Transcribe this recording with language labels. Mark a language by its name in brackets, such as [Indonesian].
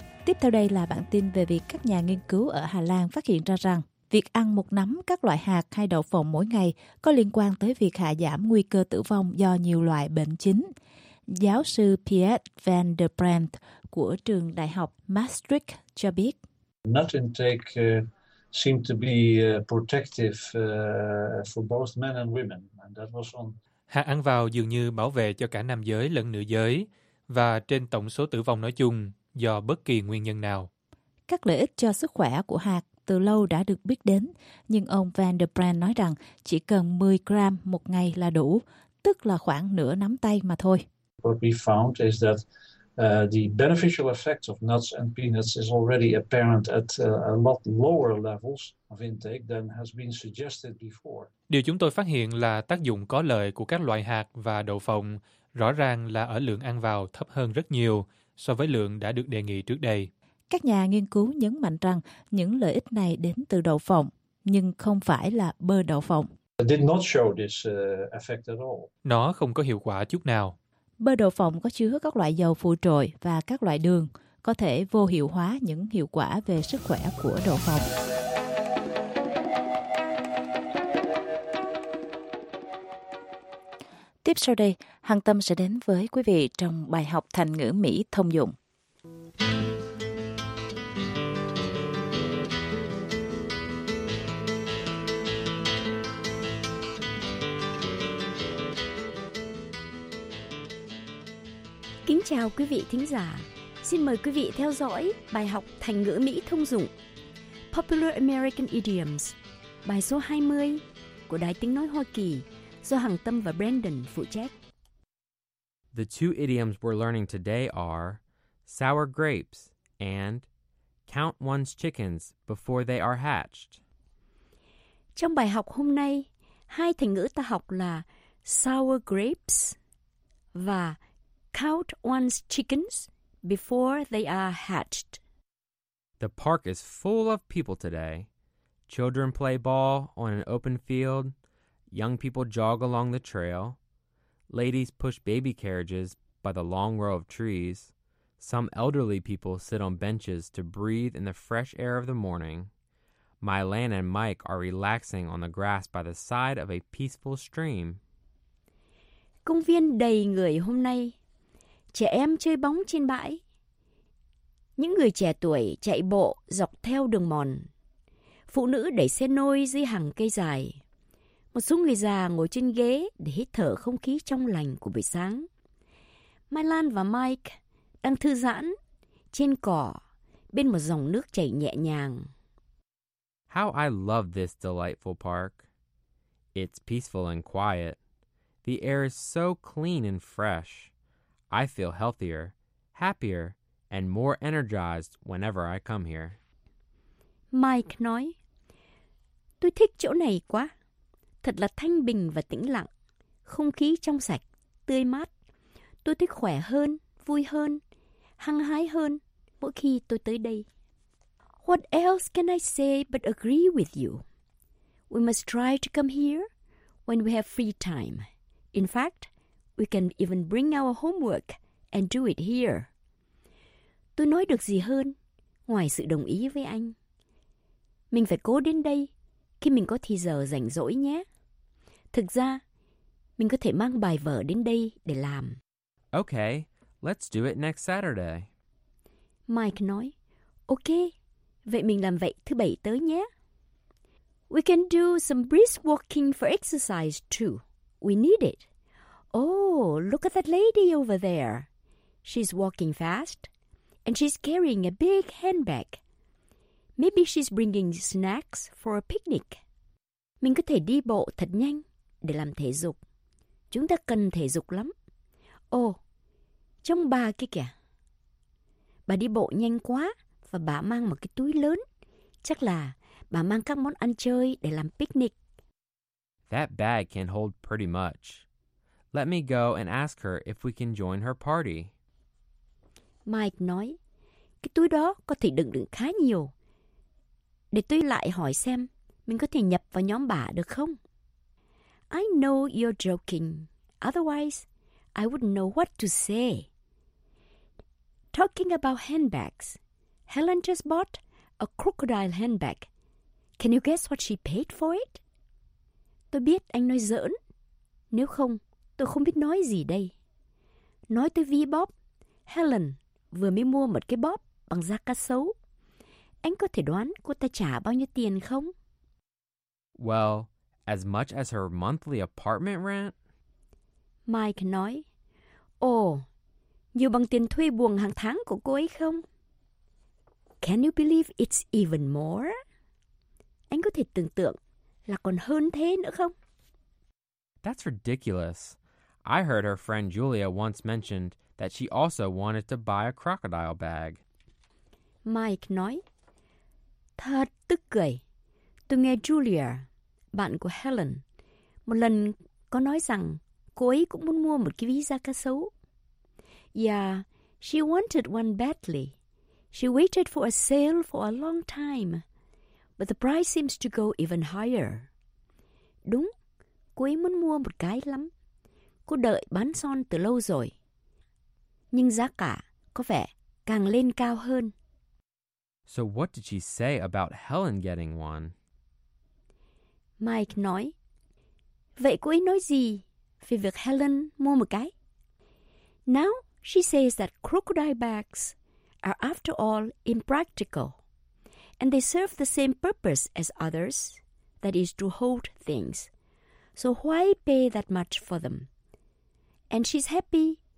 [Vietnamese] Tiếp theo đây là bản tin về việc các nhà nghiên cứu ở Hà Lan phát hiện ra rằng việc ăn một nắm các loại hạt hay đậu phộng mỗi ngày có liên quan tới việc hạ giảm nguy cơ tử vong do nhiều loại bệnh chính. Giáo sư Piet van der Brandt của trường Đại học Maastricht cho biết. [English] Nut intake seemed to be protective for both men and women, and that was on. [Vietnamese] Hạt ăn vào dường như bảo vệ cho cả nam giới lẫn nữ giới và trên tổng số tử vong nói chung do bất kỳ nguyên nhân nào. Các lợi ích cho sức khỏe của hạt từ lâu đã được biết đến, nhưng ông van der Brandt nói rằng chỉ cần 10 gram một ngày là đủ, tức là khoảng nửa nắm tay mà thôi. [English] What we found is that the beneficial effects of nuts and peanuts is already apparent at a lot lower levels of intake than has been suggested before. [Vietnamese] Điều chúng tôi phát hiện là tác dụng có lợi của các loại hạt và đậu phộng rõ ràng là ở lượng ăn vào thấp hơn rất nhiều so với lượng đã được đề nghị trước đây. Các nhà nghiên cứu nhấn mạnh rằng những lợi ích này đến từ đậu phộng, nhưng không phải là bơ đậu phộng. [English] It did not show this effect at all. [Vietnamese] Nó không có hiệu quả chút nào. Bơ đậu phộng có chứa các loại dầu phụ trội và các loại đường, có thể vô hiệu hóa những hiệu quả về sức khỏe của đậu phộng. Tiếp sau đây, Hằng Tâm sẽ đến với quý vị trong bài học thành ngữ Mỹ thông dụng. Kính chào quý vị thính giả. Xin mời quý vị theo dõi bài học thành ngữ Mỹ thông dụng Popular American Idioms, bài số 20 của Đài Tiếng Nói Hoa Kỳ do Hằng Tâm và Brandon phụ trách. [English] The two idioms we're learning today are sour grapes and count one's chickens before they are hatched. [Vietnamese] Trong bài học hôm nay, hai thành ngữ ta học là [English] sour grapes [Vietnamese] và [English] count one's chickens before they are hatched. The park is full of people today. Children play ball on an open field. Young people jog along the trail. Ladies push baby carriages by the long row of trees. Some elderly people sit on benches to breathe in the fresh air of the morning. Mylan and Mike are relaxing on the grass by the side of a peaceful stream. [Vietnamese] Công viên đầy người hôm nay. Trẻ em chơi bóng trên bãi. Những người trẻ tuổi chạy bộ dọc theo đường mòn. Phụ nữ đẩy xe nôi dưới hàng cây dài. Một số người già ngồi trên ghế để hít thở không khí trong lành của buổi sáng. Mylan và Mike đang thư giãn trên cỏ bên một dòng nước chảy nhẹ nhàng. [English] How I love this delightful park. It's peaceful and quiet. The air is so clean and fresh. I feel healthier, happier, and more energized whenever I come here. [Vietnamese] Mike nói, tôi thích chỗ này quá. Thật là thanh bình và tĩnh lặng. Không khí trong sạch, tươi mát. Tôi thích khỏe hơn, vui hơn, hăng hái hơn mỗi khi tôi tới đây. [English] What else can I say but agree with you? We must try to come here when we have free time. In fact, we can even bring our homework and do it here. [Vietnamese] Tôi nói được gì hơn ngoài sự đồng ý với anh? Mình phải cố đến đây khi mình có thì giờ rảnh rỗi nhé. Thực ra, mình có thể mang bài vở đến đây để làm. [English] Okay, let's do it next Saturday. [Vietnamese] Mike nói, okay, vậy mình làm vậy thứ bảy tới nhé. [English] We can do some brisk walking for exercise too. We need it. Oh, look at that lady over there. She's walking fast, and she's carrying a big handbag. Maybe she's bringing snacks for a picnic. [Vietnamese] Mình có thể đi bộ thật nhanh để làm thể dục. Chúng ta cần thể dục lắm. Oh, trông bà kia kìa. Bà đi bộ nhanh quá và bà mang một cái túi lớn. Chắc là bà mang các món ăn chơi để làm picnic. [English] That bag can hold pretty much. Let me go and ask her if we can join her party. [Vietnamese] Mike nói, cái túi đó có thể đựng được khá nhiều. Để tôi lại hỏi xem mình có thể nhập vào nhóm bà được không? [English] I know you're joking. Otherwise, I wouldn't know what to say. Talking about handbags, Helen just bought a crocodile handbag. Can you guess what she paid for it? [Vietnamese] Tôi biết anh nói giỡn. Nếu không, tôi không biết nói gì đây. Nói tới ví bóp, Helen vừa mới mua một cái bóp bằng da cá sấu. Anh có thể đoán cô ta trả bao nhiêu tiền không? [English] Well, as much as her monthly apartment rent. [Vietnamese] Mike nói, oh, nhiều bằng tiền thuê buồng hàng tháng của cô ấy không? [English] Can you believe it's even more? [Vietnamese] Anh có thể tưởng tượng là còn hơn thế nữa không? [English] That's ridiculous. I heard her friend Julia once mentioned that she also wanted to buy a crocodile bag. [Vietnamese] Mike nói, thật tức cười. Tôi nghe Julia, bạn của Helen, một lần có nói rằng cô ấy cũng muốn mua một cái ví da cá sấu. [English] Yeah, she wanted one badly. She waited for a sale for a long time. But the price seems to go even higher. [Vietnamese] Đúng, cô ấy muốn mua một cái lắm. Cô đợi bán son từ lâu rồi. Nhưng giá cả có vẻ càng lên cao hơn. [English] So what did she say about Helen getting one? [Vietnamese] Mike nói, vậy cô ấy nói gì về việc Helen mua một cái? [English] Now she says that crocodile bags are after all impractical and they serve the same purpose as others, that is to hold things. So why pay that much for them? And she's happy